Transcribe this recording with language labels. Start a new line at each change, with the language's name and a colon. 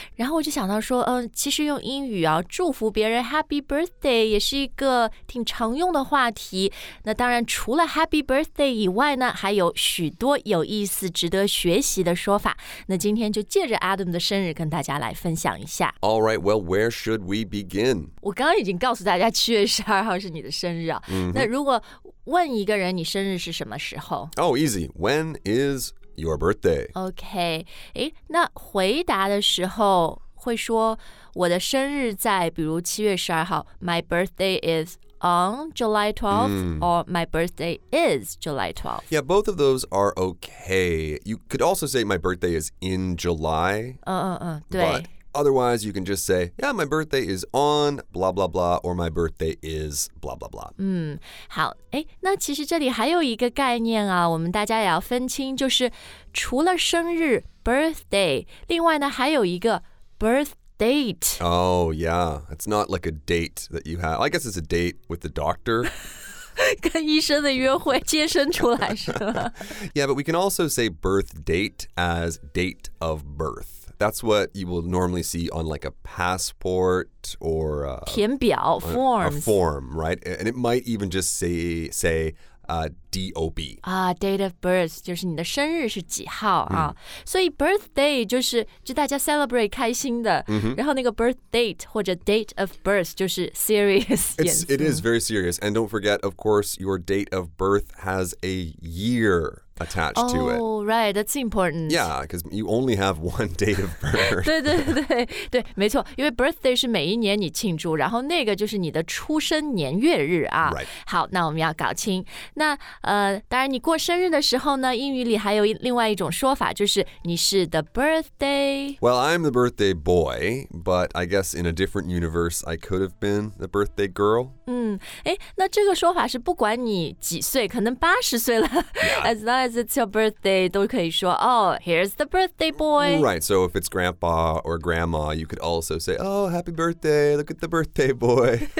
Chinese: 然后我就想到说，其实用英语啊祝福别人
English: Happy Birthday
Chinese: 也是一个挺常用的话题。那当然，除了
English: Happy Birthday
Chinese: 以外呢，还有许多有意思、值得学习的说法。那今天就借着 Adam 的生日跟大家来分享一下。
English: All right, well, where should we begin?
Chinese: 我刚刚已经告诉大家7月12号是你的生日啊。 Mm-hmm. 那如果问一个人你生日是什么时候
English: Oh, easy. When is your birthday? Okay.
Chinese: 诶，那回答的时候会说我的生日在比如7月12号
English: My birthday is on July 12th、 mm. or my birthday is July 12th. Yeah, both of those are okay. You could also say my birthday is in July.
Chinese: 对。
English: Otherwise, you can just say, yeah, my birthday is on blah, blah, blah, or my birthday is blah, blah, blah.
Chinese: 好，那其实这里还有一个概念啊，我们大家也要分清，就是除了生日 birthday, 另外呢还有一个
English: birth date. Oh, yeah. It's not like a date that you have. I guess it's a date with the doctor.
Chinese: 跟医生的约会接生出来是吧
English: Yeah, but we can also say birth date as date of birth. That's what you will normally see on like a passport or a,
Chinese: 填表 forms.
English: A form, right? And it might even just say DOB. Date of birth,
Chinese: 就是你的生日是几号啊。Mm. 所以 birthday 就大家 celebrate 开心的。 Mm-hmm. 然后那个
English: birth date 或者 date of birth
Chinese: 就是
English: serious. It is very serious. And don't forget, of course, your date of birth has a year. Attached to it. Oh, right. That's important. Yeah, because you only have one date of birth.
Chinese: 对，没错。因为 birthday 是每一年你庆祝，然后那个就是你的出生年月日啊。
English: Right.
Chinese: 好，那我们要搞清。那当然你过生日的时候呢，英语里还有另外一种说法，就是你是
English: the birthday. Well, I'm the birthday boy, but I guess in a different universe, I could have been the birthday girl.
Chinese: 那这个说法是不管你几岁，可能80岁了。
English: Yeah. As long as it's your birthday,
Chinese: 都可以说
English: oh, here's the birthday boy. Right, so if it's grandpa or grandma, you could also say, oh, happy birthday, look at the birthday boy.